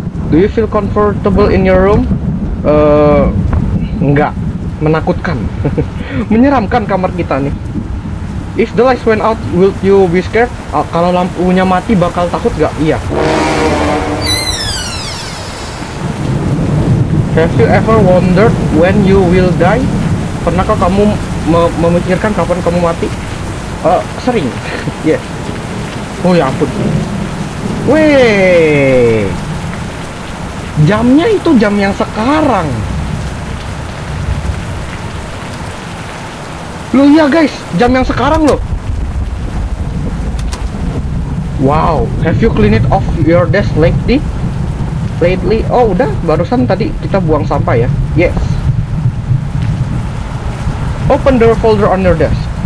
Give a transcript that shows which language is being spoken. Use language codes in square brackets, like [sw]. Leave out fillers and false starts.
[en] Do you feel comfortable in your room? [id] Nggak. Menakutkan. Menyeramkan kamar kita nih. [en] If the lights went out, will you be scared? [id] Kalau lampunya mati, bakal takut nggak? Iya. [en] Have you ever wondered when you will die? [id] Pernahkah kamu memikirkan kapan kamu mati? Sering. [en] Yes. [id] Oh ya ampun. Weh. Jamnya itu jam yang sekarang. Loh iya guys, jam yang sekarang loh. [en] Wow, have you cleaned it off your desk lately? Lately, [id] oh udah, barusan tadi kita buang sampah ya. [en] Yes. Open the folder on your desk.